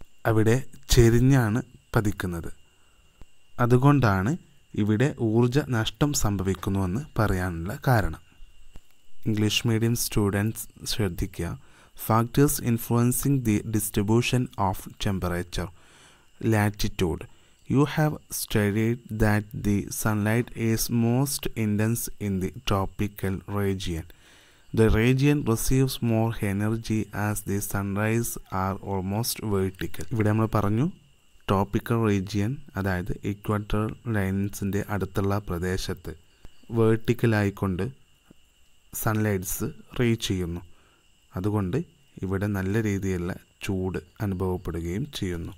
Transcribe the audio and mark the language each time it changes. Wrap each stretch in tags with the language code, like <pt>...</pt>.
<ml>അവിടെ ചെരിഞ്ഞാണ് പതിക്കുന്നത്. അതുകൊണ്ടാണ് ഇവിടെ ഊർജ നഷ്ടം സംഭവിക്കുന്നുവെന്ന് പറയാനുള്ള കാരണം. ഇംഗ്ലീഷ് മീഡിയം സ്റ്റുഡൻസ് ശ്രദ്ധിക്കുക.</ml> <en>Factors influencing the distribution of temperature. Latitude. You have studied that the sunlight is most intense in the tropical region. The region receives more energy as the sunrise are almost vertical.</en> <ml>ഇവിടെ നമ്മൾ പറഞ്ഞു tropical region, അതായത് equator ലൈൻസിൻ്റെ അടുത്തുള്ള പ്രദേശത്ത് വേർട്ടിക്കലായിക്കൊണ്ട് സൺലൈറ്റ്സ് reach ചെയ്യുന്നു. അതുകൊണ്ട് ഇവിടെ നല്ല രീതിയിലുള്ള ചൂട് അനുഭവപ്പെടുകയും ചെയ്യുന്നു.</ml>